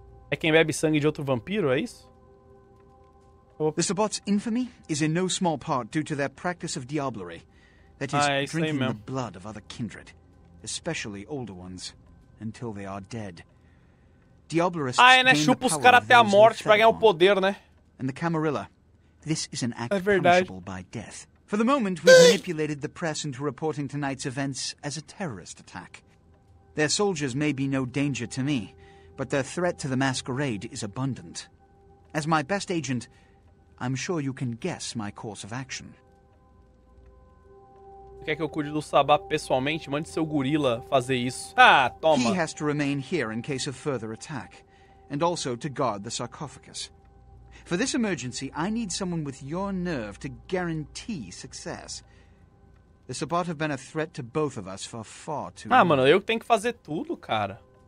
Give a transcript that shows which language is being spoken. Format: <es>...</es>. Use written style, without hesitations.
<pt>É quem bebe sangue de outro vampiro, é isso?</pt> <en>The Sabbat's infamy is in no small part due to their practice of diablerie. That is,</en> <pt>ah, é isso</pt> <en>drinking</en> <pt>aí mesmo.</pt> <en>The blood of other kindred, especially older ones, until they are dead. Diablerists,</en> <pt>ah, é, né? Chupa os caras até a morte pra ganhar o poder, né?</pt> <en>And the Camarilla. This is an act punishable by death. For the moment, we've manipulated the press into reporting tonight's events as a terrorist attack. Their soldiers may be no danger to me, but their threat to the masquerade is abundant. As my best agent, I'm sure you can guess my course of action.</en> <pt>Quer que eu cuide do Sabá pessoalmente? Mande seu gorila fazer isso. Ah, toma.</pt> <en>He has to remain here in case of further attack, and also to guard the sarcophagus. For this emergency, I need someone with your nerve to guarantee success. The Sabbat have been a threat to both of us for far too long.</en> <pt>Ah, mano, eu tenho que fazer tudo, cara.</pt>